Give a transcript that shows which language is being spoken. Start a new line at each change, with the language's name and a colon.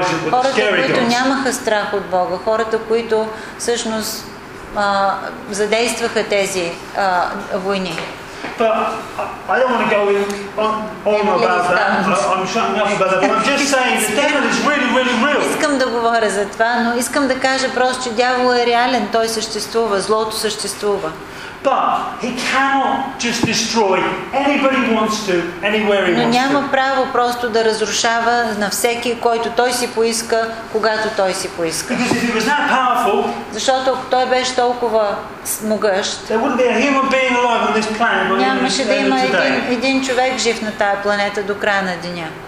Bulgarian: Хората, които нямаха страх от Бога, хората, които всъщност задействаха тези войни.
English: But I don't want to go on about that. I'm shutting up about that. But I'm just saying the devil is really, really real.
Bulgarian: Искам да говоря за това, но искам да кажа просто, че дяволът е реален, той съществува, злото съществува.
English: But he cannot just destroy anybody wants to, anywhere he wants to.
Bulgarian: Но няма право просто да разрушава на всеки, който той си поиска, когато той си поиска.
English: Because if he was that powerful,
Bulgarian: защото ако той беше толкова могъщ,
English: there wouldn't be a human being alive on this planet.
Bulgarian: Нямаше да има един човек жив на тая планета до края на деня.